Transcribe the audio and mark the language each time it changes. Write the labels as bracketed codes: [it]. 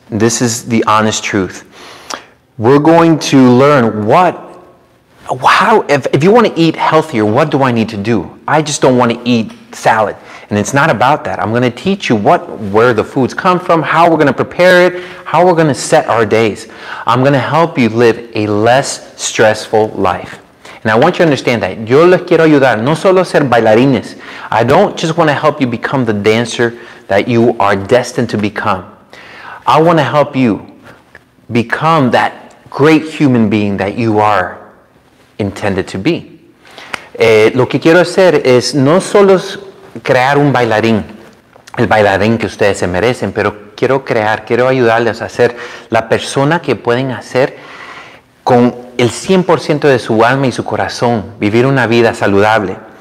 [en] This is the honest truth. We're going to learn if you want to eat healthier, what do I need to do? I just don't want to eat salad. And it's not about that. I'm going to teach you where the foods come from, how we're going to prepare it, how we're going to set our days. I'm going to help you live a less stressful life. And I want you to understand that. [es] Yo les quiero ayudar, no solo ser bailarines. [en] I don't just want to help you become the dancer that you are destined to become. I want to help you become that great human being that you are intended to be. [es] Lo que quiero hacer es no solo crear un bailarín, el bailarín que ustedes se merecen, pero quiero ayudarles a ser la persona que pueden hacer con el 100% de su alma y su corazón, vivir una vida saludable.